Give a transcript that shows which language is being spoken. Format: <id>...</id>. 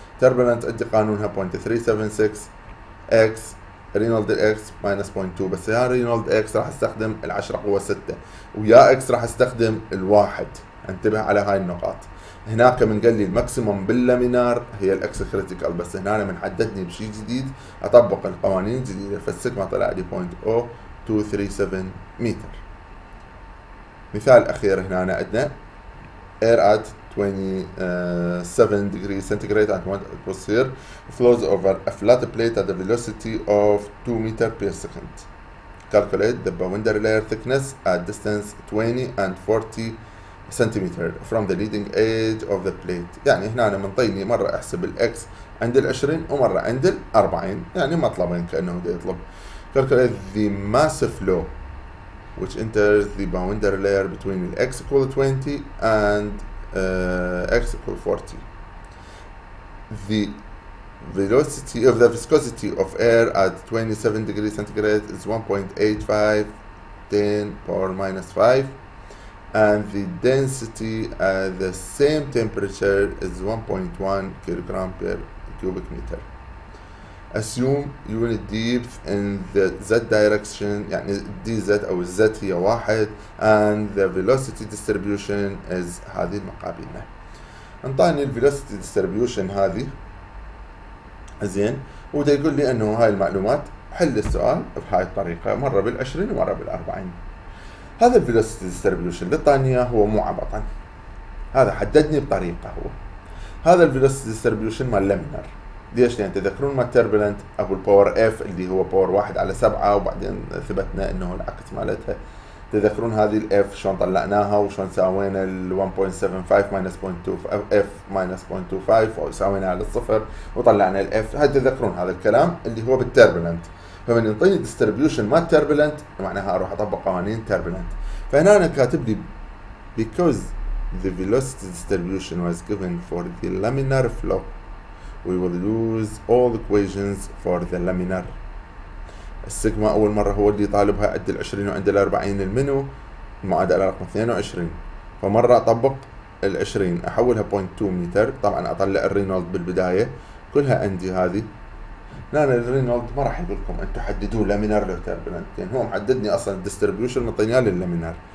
<ar>تيربلنت عندي قانونها 0.376 x رينولد x minus 0.2 بس يا رينولد x راح استخدم العشرة قوة ستة ويا x راح استخدم الواحد. انتبه على هاي النقاط. هناك من قال لي الماكسيموم باللامينار هي x critical بس هنا من حددني بشيء جديد اطبق القوانين الجديدة فالسيجما طلع لي 0.0237 متر. مثال اخير هنا عندنا</ar> <en>air at 27 degrees centigrade at 1 atmosphere flows over a flat plate at a velocity of 2 meter per second. Calculate the boundary layer thickness at distance 20 and 40 centimeter from the leading edge of the plate.</en> <ar>يعني هنا أنا منطيني مرة أحسب الX عند العشرين ومرة عند الأربعين يعني مطلبين كأنه دي يطلب.</ar> <en>Calculate the mass flow which enters the boundary layer between the X equal 20 and x equal 40. The velocity of the viscosity of air at 27 degrees centigrade is 1.85 10 power minus 5, and the density at the same temperature is 1.1 kilogram per cubic meter. Assume unit depth in the z direction,</en> <ar>يعني dz أو z هي واحد,</ar> <en>and the velocity distribution is</en> <ar>هذه المقابلنا. انطاني الفيلوسيتي ديستريبيوشن هذه زين، وده يقول لي انه هاي المعلومات حل السؤال بهاي الطريقه مره بالعشرين ومره بالاربعين. هذا الفيلوسيتي ديستريبيوشن اللي طاني اياه هو مو عبطا، هذا حددني بطريقه. هو هذا الفيلوسيتي ديستريبيوشن مال لمنر، ليش؟ لان تذكرون مال تيربلنت ابو الباور اف اللي هو باور واحد على سبعة، وبعدين ثبتنا انه العكس مالتها. تذكرون هذه الاف شلون طلعناها وشلون ساوينا ال 1.75 - 0.25 او ساوينا على الصفر وطلعنا الاف. هل تذكرون هذا الكلام اللي هو بالتيربلنت؟ فمن ينطيني ديستريبيوشن مال تيربلنت معناها اروح اطبق قوانين تيربلنت. فهنا انا كاتب لي بيكوز</ar> <en>the velocity distribution was given for the laminar flow we will lose all equations for the laminar.</en> <ar>السيجما اول مره هو اللي طالبها عند ال 20 وعند ال 40 المنو المعادله رقم 22. فمره اطبق ال 20 احولها 0.2 متر، طبعا اطلع الرينولد بالبدايه كلها عندي هذه. لا انا الرينولد ما راح يقول لكم انتم حددوا لامينار لو تربلنت، يعني هو محددني اصلا الديستريبيوشن مطيني على اللامينار.</ar>